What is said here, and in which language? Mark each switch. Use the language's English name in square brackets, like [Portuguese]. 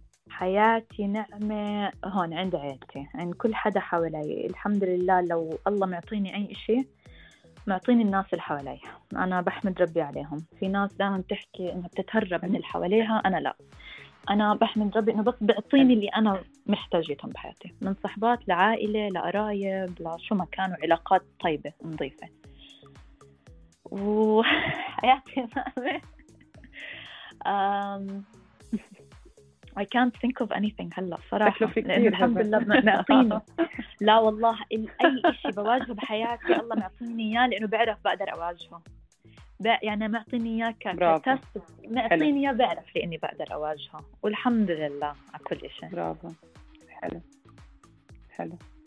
[Arabic] حياتي نعمة هون عند عيلتي، عند كل حدا حوالي، الحمد لله لو الله معطيني أي إشي معطيني الناس اللي حوالي، أنا بحمد ربي عليهم. في ناس دائما تحكي إنها بتتهرب من اللي حواليها، أنا لا، أنا بحمد ربي إنه بس بيعطيني اللي أنا محتاجيتهم بحياتي، من صحبات لعائلة لقرايب لشو ما كانوا، علاقات طيبة نظيفة. وحياتي نعمة [English] I can't think of anything [Arabic] هلا صراحة، لأن الحمد لله معطيني. لا والله أي إشي بواجهه بحياتي الله معطيني إياه، لأنه بعرف بقدر أواجهه، يعني معطيني إياه كتست، معطيني إياه بعرف لأني بقدر أواجهه والحمد لله على كل إشي. برافو، حلو.